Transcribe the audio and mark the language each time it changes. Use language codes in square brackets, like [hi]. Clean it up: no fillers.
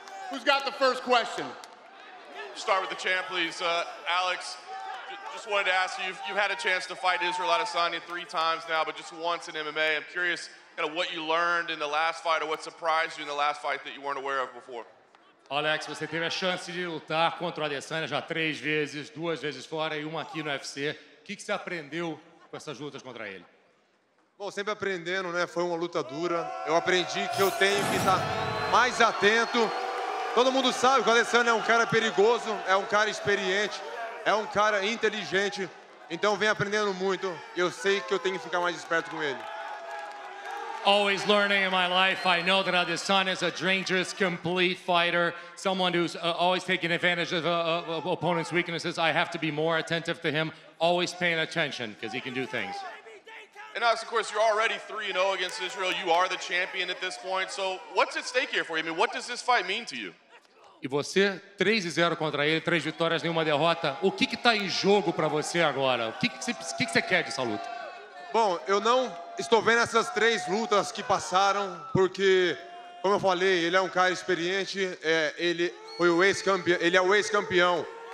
[en] Who's got the first question? Start with the champ, please. Alex, just wanted to ask you, you've had a chance to fight Israel Adesanya 3 times now, but just once in MMA. I'm curious kind of what you learned in the last fight or what surprised you in the last fight that you weren't aware of before. [pt] Alex, você teve a chance de lutar contra o Adesanya já 3 vezes, 2 vezes fora e 1 aqui no UFC. O que você aprendeu com essas lutas contra ele? Bom, sempre aprendendo, né? Foi uma luta dura. Eu aprendi que eu tenho que estar mais atento. Todo mundo sabe que o Adesanya é um cara perigoso, é um cara experiente, é um cara inteligente. Então vem aprendendo muito. Eu sei que eu tenho que ficar mais esperto com ele. [en] Always learning in my life. I know that Adesanya is a dangerous, complete fighter, someone who's always taking advantage of opponent's weaknesses. I have to be more attentive to him, always paying attention, because he can do things. And Alex, of course, you're already 3-0 against Israel. You are the champion at this point. So what's at stake here for you? I mean, what does this fight mean to you? [pt] E você, 3-0 contra ele, 3 vitórias, nenhuma derrota. O que está em jogo para você agora? O que você quer dessa luta? Bom, eu não estou vendo essas 3 lutas que passaram, porque, como eu falei, ele é um cara experiente, ele é o ex-campeão.